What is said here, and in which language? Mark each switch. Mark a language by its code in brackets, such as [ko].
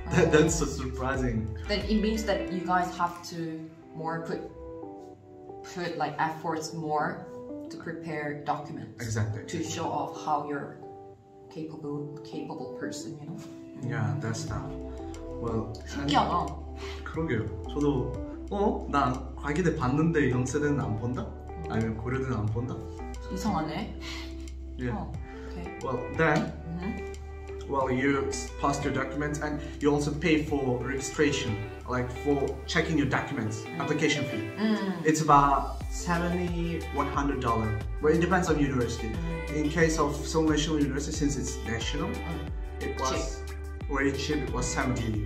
[en] That's so surprising. Then it means that you guys have to more put like efforts more to prepare documents. Exactly. To show off how you're capable person, you know? Yeah, that's that. Well, [ko] 신기하다. 그러게요. 저도 나 과기대 봤는데 연세대는 안 본다? 아니면 고려대는 안 본다? 이상하네. [en] Yeah. Oh, okay. Well, then, well, you passed your documents and you also pay for registration, like for checking your documents, application fee. It's about $70-$100. Well, it depends on university. In case of Seoul National University, since it's national, it was very cheap. It was $70.